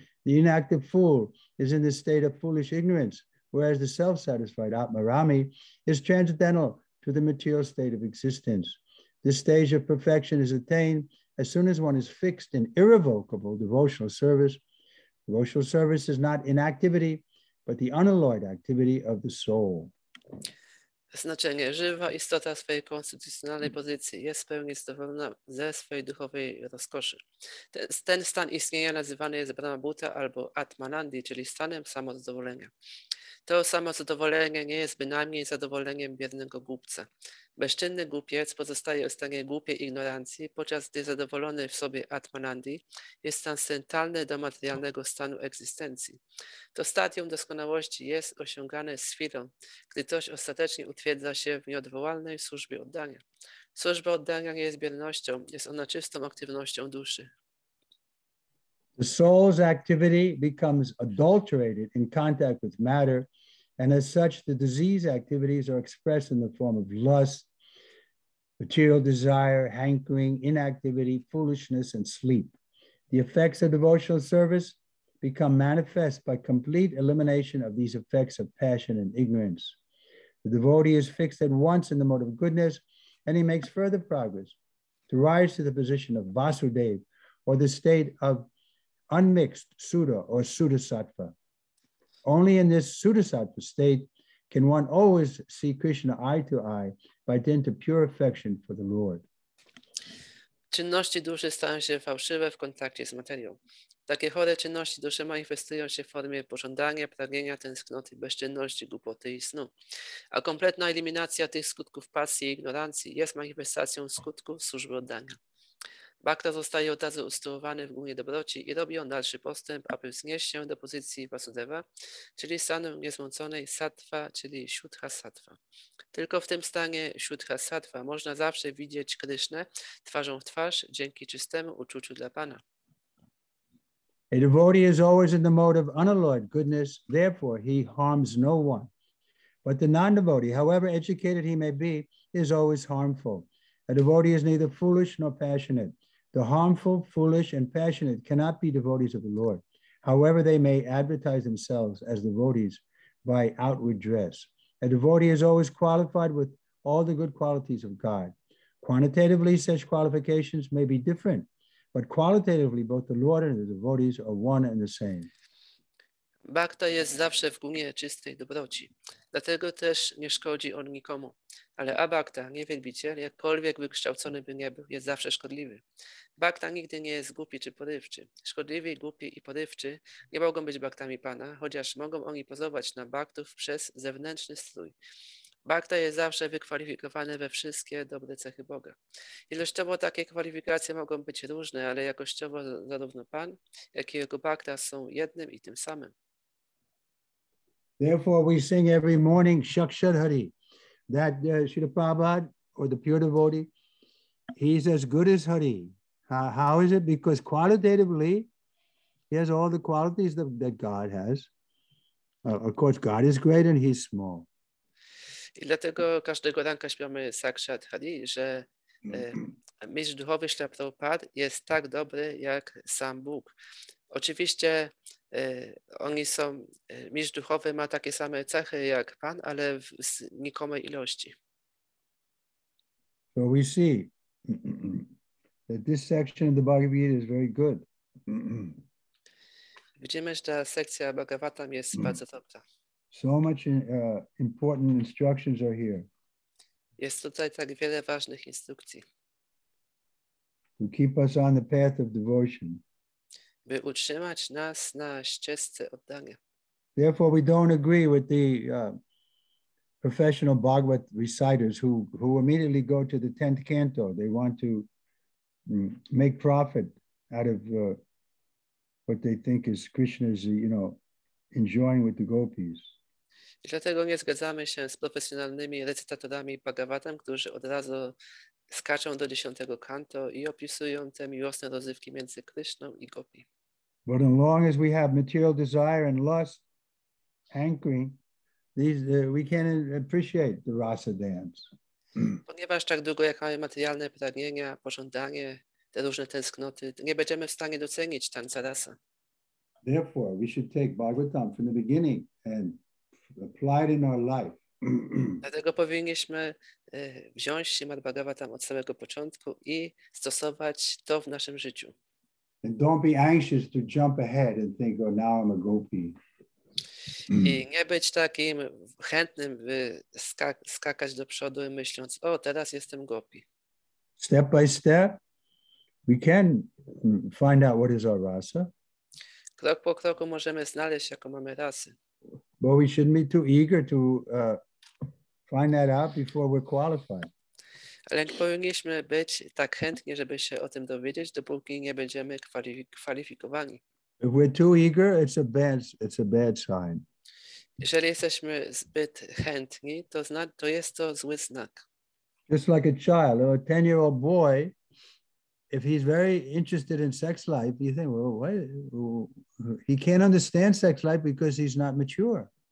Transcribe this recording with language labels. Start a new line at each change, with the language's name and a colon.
English: The inactive fool is in the state of foolish ignorance, whereas the self-satisfied Atmarami is transcendental to the material state of existence. This stage of perfection is attained as soon as one is fixed in irrevocable devotional service. Devotional service is not inactivity, but the unalloyed activity of the soul.
Polish: Znaczenie, żywa istota swojej konstytucjonalnej pozycji jest w pełni zadowolona ze swojej duchowej rozkoszy. Ten stan istnienia nazywany jest Brahma Bhuta albo Atmanandi, czyli stanem samozadowolenia. To samozadowolenie nie jest bynajmniej zadowoleniem biednego głupca. Bezczynny głupiec pozostaje w stanie głupiej ignorancji, podczas gdy zadowolony w sobie Atmanandi jest transcendentalny do materialnego stanu egzystencji. To stadium doskonałości jest osiągane z chwilą, gdy ktoś ostatecznie utwierdza się w nieodwołalnej służbie oddania. Służba oddania nie jest biernością, jest ona czystą aktywnością duszy.
English: The soul's activity becomes adulterated in contact with matter, and as such, the disease activities are expressed in the form of lust, material desire, hankering, inactivity, foolishness, and sleep. The effects of devotional service become manifest by complete elimination of these effects of passion and ignorance. The devotee is fixed at once in the mode of goodness, and he makes further progress to rise to the position of Vasudeva, or the state of unmixed Suda or Sudasattva. Only in this Sudasattva state can one always see Krishna eye to eye by dint of pure affection for the Lord.
Polish: Czynności duszy stają się fałszywe w kontakcie z materią. Takie chore czynności duszy manifestują się w formie pożądania, pragnienia, tęsknoty, bezczynności, głupoty i snu. A kompletna eliminacja tych skutków pasji i ignorancji jest manifestacją skutków służby oddania. Bhakta zostaje od razu usytuowany w głównie dobroci i robi on dalszy postęp, aby wznieść się do pozycji Vasudeva, czyli stanu niezmąconej sattva, czyli śuddha sattva. Tylko w tym stanie śuddha sattva można zawsze widzieć Krishnę twarzą w twarz dzięki czystemu uczuciu dla Pana.
English: A devotee is always in the mode of unalloyed goodness, therefore he harms no one. But the non-devotee, however educated he may be, is always harmful. A devotee is neither foolish nor passionate. The harmful, foolish, and passionate cannot be devotees of the Lord. however they may advertise themselves as devotees by outward dress. A devotee is always qualified with all the good qualities of God. Quantitatively, such qualifications may be different, but qualitatively, both the Lord and the devotees are one and the same.
Polish: Bhakta jest zawsze w gumie czystej dobroci, dlatego też nie szkodzi on nikomu. Ale abhakta, niewielbiciel, jakkolwiek wykształcony by nie był, jest zawsze szkodliwy. Bhakta nigdy nie jest głupi czy porywczy. Szkodliwi, głupi i porywczy nie mogą być bhaktami Pana, chociaż mogą oni pozować na bhaktów przez zewnętrzny strój. Bhakta jest zawsze wykwalifikowany we wszystkie dobre cechy Boga. Ilościowo takie kwalifikacje mogą być różne, ale jakościowo zarówno Pan, jak i jego bhakta są jednym i tym samym.
English: Therefore we sing every morning Shakshat Hari, that Srila Prabhupada, or the pure devotee, he's as good as Hari. How is it? Because qualitatively, he has all the qualities that God has. Of course, God is great and he's small.
Polish: I dlatego każdego ranka śpiewamy Sakshat Hari, że mistrz duchowy Śla Prabhupada jest tak dobry jak sam Bóg. Oczywiście oni są, mistrz duchowy ma takie same cechy jak Pan, ale w znikomej ilości.
English: So we see that this section of the Bhagavad Gita is very good.
Polish: Widzimy, że ta sekcja Bhagavatam jest bardzo dobra.
English: So much important instructions are here.
Polish: Jest tutaj tak wiele ważnych instrukcji.
English: To keep us on the path of devotion.
Polish: By utrzymać nas na ścieżce oddania.
English: Therefore, we don't agree with the professional Bhagavat reciters who immediately go to the 10th canto. They want to make profit out of what they think is Krishna's, you know, enjoying with the gopis.
Polish: I dlatego nie zgadzamy się z profesjonalnymi recytatorami Bhagavatam, którzy od razu skaczą do 10 kanto i opisują te miłosne rozrywki między Kryszną i Gopi.
English: But as long as we have material desire and lust hankering, we can't appreciate the rasa dance.
Polish: Ponieważ tak długo jak mamy materialne pragnienia, pożądanie, te różne tęsknoty, nie będziemy w stanie docenić tańca rasa.
English: Therefore, we should take Bhagavatam from the beginning and applied in our life.
Polish: Dlatego powinniśmy wziąć Śrimad Bhagavatam od samego początku i stosować to w naszym życiu.
English: And don't be anxious to jump ahead and think, oh, now I'm a gopi.
Polish: I nie być takim chętnym, by skakać do przodu i myśląc, o, teraz jestem gopi.
English: Step by step, we can find out what is our rasa.
Polish: Krok po kroku możemy znaleźć, jaką mamy rasę.
English: But we shouldn't be too eager to find that out before we're qualified.
Polish: Ale nie powinniśmy być tak chętni, żeby się o tym dowiedzieć, dopóki nie będziemy kwalifikowani.
English: If we're too eager, it's a bad sign.
Polish: Jeżeli jesteśmy zbyt chętni, to jest to zły znak.
English: Just like a child, or a 10-year-old boy, if he's very interested in sex life, you think, well, why? He can't understand sex life because he's not mature.